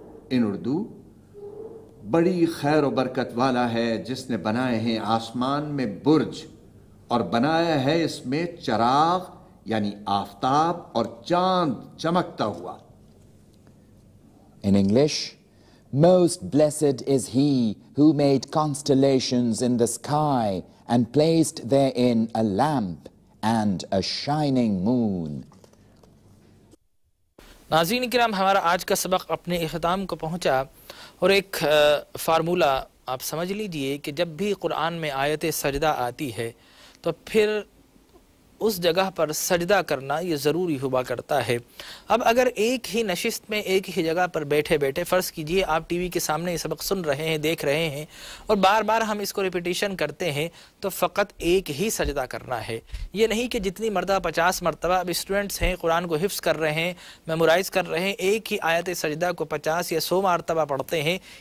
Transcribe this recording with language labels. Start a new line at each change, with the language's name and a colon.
English: in Urdu
Urdu: بڑی خیر و برکت والا ہے جس نے بنائے ہیں آسمان میں برج اور بنایا ہے اس میں چراغ یعنی آفتاب اور چاند چمکتا ہوا
English: In English, most blessed is he who made constellations in the sky and placed therein a lamp and a shining moon.
Urdu: ناظرین کرام ہمارا آج کا سبق اپنے اختتام کو پہنچا اور ایک فارمولہ آپ سمجھ لیجئے کہ جب بھی قرآن میں آیت سجدہ آتی ہے تو پھر اس جگہ پر سجدہ کرنا یہ ضروری ہوا کرتا ہے اب اگر ایک ہی نشست میں ایک ہی جگہ پر بیٹھے بیٹھے فرض کیجئے آپ ٹی وی کے سامنے یہ سبق سن رہے ہیں دیکھ رہے ہیں اور بار بار ہم اس کو ریپیٹیشن کرتے ہیں تو فقط ایک ہی سجدہ کرنا ہے یہ نہیں کہ جتنی مرتبہ 50 مرتبہ اب اسٹوڈنٹس ہیں قرآن کو حفظ کر رہے ہیں میمورائز کر رہے ہیں ایک ہی آیت سجدہ کو 50 یا 100 مرتبہ پڑھتے ہیں